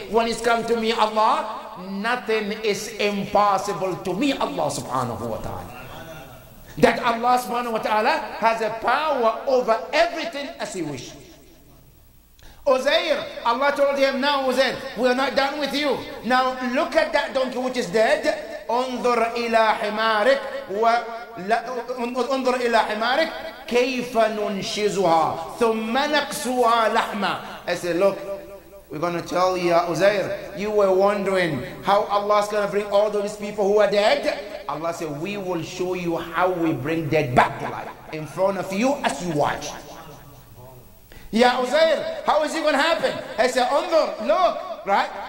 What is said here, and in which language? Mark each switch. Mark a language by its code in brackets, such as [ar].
[en] When it's come to me, Allah, nothing is impossible to me, Allah subhanahu wa ta'ala. That Allah subhanahu wa ta'ala has a power over everything as He wishes. Uzair, Allah told him, now Uzair, we are not done with you. Now look at that donkey which is dead. [ar] انظر إلى حمارك انظر إلى حمارك كيف ننشزها ثم نكسوها لحما. [en] I said, look, we're going to tell you, Uzair, you were wondering how Allah is going to bring all those people who are dead. Allah said, we will show you how we bring dead back to life in front of you as you watch. Ya Uzair, how is it going to happen? I said, Unzur, look, right?